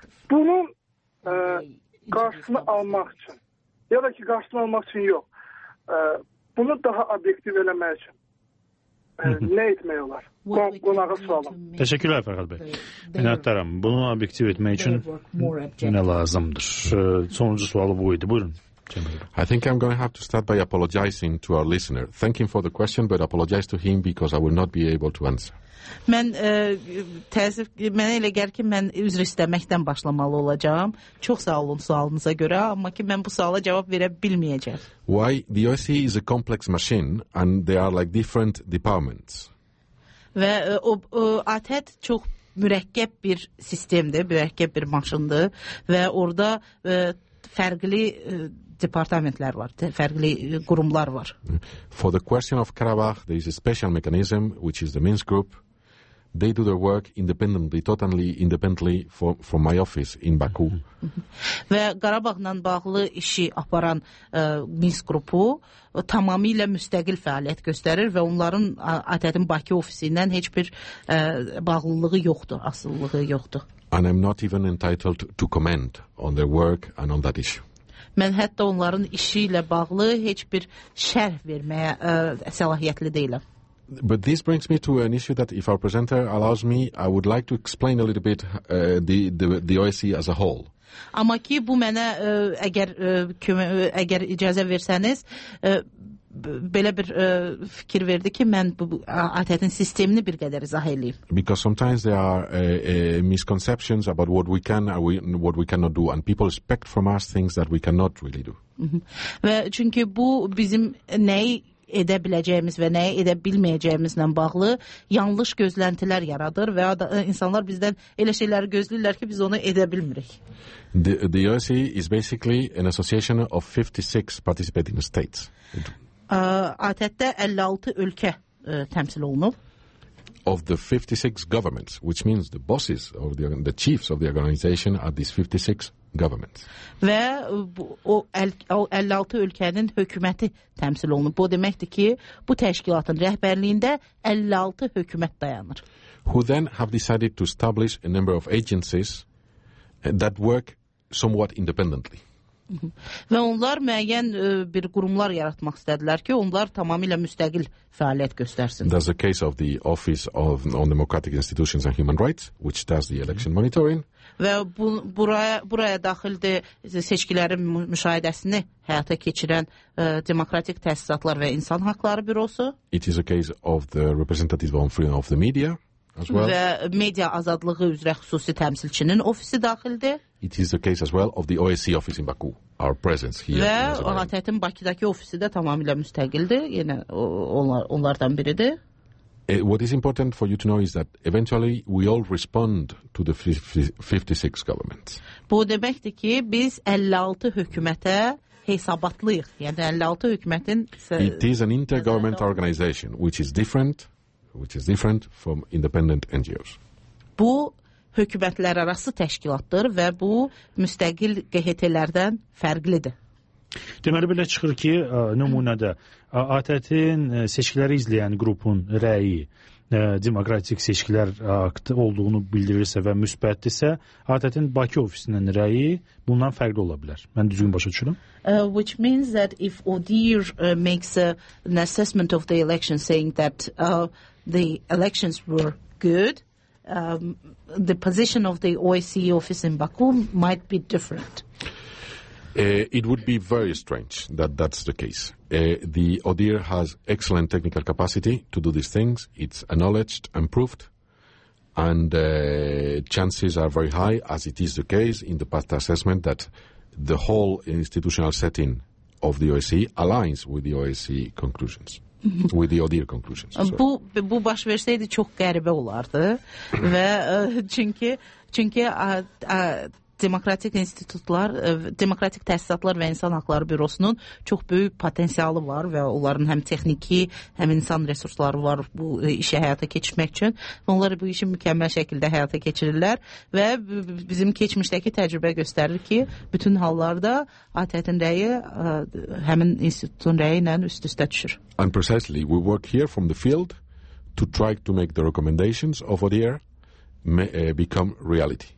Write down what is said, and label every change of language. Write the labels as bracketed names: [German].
[Azerbaijani] Bunun qarşısını almaq üçün, ya da ki, qarşısını almaq üçün yox, bunu daha obyektiv eləmək üçün nə etmək olar? Qonağı sualım. Təşəkkürlər, Fərhad bəy. Minnətdaram. Bunu obyektiv etmək üçün nə lazımdır? Sonuncu sualı bu idi. Buyurun. [English] I think I'm going to have to start by apologizing to our listener. Thank him for the question, but apologize to him because I will not be able to answer. [Azerbaijani] Mən təəssüf ki, mənə elə gəlir ki, mən üzr istəməkdən başlamalı olacağam. Çox sağ olun sualınıza görə, amma ki, mən bu suala cavab verə bilməyəcəm. [English] Why? The OSCE is a complex machine and they are like different departments. [Azerbaijani] Və ATƏT çox mürəkkəb bir sistemdir, mürəkkəb bir maşındır və orada fərqli departamentlər var, fərqli qurumlar var. [English] For the question of Karabakh, there is a special mechanism, which is the Minsk group. They do their work independently, totally independently from my office in Baku. [Azerbaijani] Və Qarabağla bağlı işi aparan Minsk qrupu tamamilə müstəqil fəaliyyət göstərir və onların ATƏT-in Bakı ofisindən heç bir bağlılığı yoxdur, asıllığı yoxdur. [English] And I'm not even entitled to comment on their work and on that issue. [Azerbaijani] Mən hətta onların işi ilə bağlı heç bir şərh verməyə səlahiyyətli deyiləm. [English] But this brings me to an issue that if our presenter allows me, I would like to explain a little bit the OSCE as a whole. [Azerbaijani] Amma ki bu mənə əgər icazə versəniz, belə bir fikir verdi ki, mən bu ATƏT-in sistemini bir qədər izah edeyim. [English] Because sometimes there are misconceptions about what we can and what we cannot do, and people expect from us things that we cannot really do. [Azerbaijani] Və çünki bu bizim nəyi edə biləcəyimiz və nəyi edə bilməyəcəyimizlə bağlı yanlış gözləntilər yaradır və insanlar bizdən elə şeyləri gözləyirlər ki, biz onu edə bilmirik. [English] The OSCE is basically an association of 56 participating states. [Azerbaijani] ATƏT-də 56 ölkə təmsil olunub. [English] Of the 56 governments, which means the bosses or the chiefs of the organization are these 56 governments. [Azerbaijani] Və o 56 ölkənin hökuməti təmsil olunub. Bu deməkdir ki, bu təşkilatın rəhbərliyində 56 hökumət dayanır. [English] Who then have decided to establish a number of agencies that work somewhat independently. [Azerbaijani] Və onlar müəyyən bir qurumlar yaratmaq istədilər ki, onlar tamamilə müstəqil fəaliyyət göstərsin. [English] There's a case of the Office on Democratic Institutions and Human Rights, which does the election monitoring. [Azerbaijani] və bu, buraya daxildir seçkilərin müşahidəsini həyata keçirən demokratik təsisatlar və insan haqları bürosu. [English] It is a case of the representative on freedom of the media as well. [Azerbaijani] Və media azadlığı üzrə xüsusi təmsilçinin ofisi daxildir. [English] It is a case as well of the OSCE office in Baku. Our presence here. [Azerbaijani] Və ATƏT-in Bakıdakı ofisi də tamamilə müstəqildir. Yenə onlardan biridir. [English] What is important for you to know is that eventually we all respond to the 56 government. [Azerbaijani] Bu deməkdir ki, biz 56 hökumətə hesabatlıyıq. Yəni 56 hökumətin [English] It is an intergovernmental organization which is different from independent NGOs. [Azerbaijani] Bu hökumətlər arası təşkilatdır və bu müstəqil QHT-lərdən fərqlidir. Deməli belə çıxır ki, nümunədə ATƏT-in seçkiləri izləyən qrupun rəyi demokratik seçkilər aktı olduğunu bildirirsə və müsbətdirsə, ATƏT-in Bakı ofisinin rəyi bundan fərqli ola bilər. Mən düzgün başa düşürüm. [English] Which means that if ODIHR makes an assessment of the election saying that the elections were good, the position of the OSCE office in Baku might be different. It would be very strange that that's the case. The ODIHR has excellent technical capacity to do these things. It's acknowledged and proved. And chances are very high, as it is the case in the past assessment, that the whole institutional setting of the OSCE aligns with the OSCE conclusions. With the ODIHR conclusions. [Azerbaijani] Bu baş versəydi çox qəribə olardı. Və çünki demokratik institutlar, demokratik təsisatlar və insan haqları bürosunun çox böyük potensialı var və onların həm texniki, həm insan resursları var bu işi həyata keçirmək üçün. Onlar bu işi mükəmməl şəkildə həyata keçirirlər və bizim keçmişdəki təcrübə göstərir ki, bütün hallarda ATƏT-in rəyi həmin institutun rəyi ilə üst-üstə düşür. [English] And precisely, we work here from the field to try to make the recommendations of ODIHR become reality.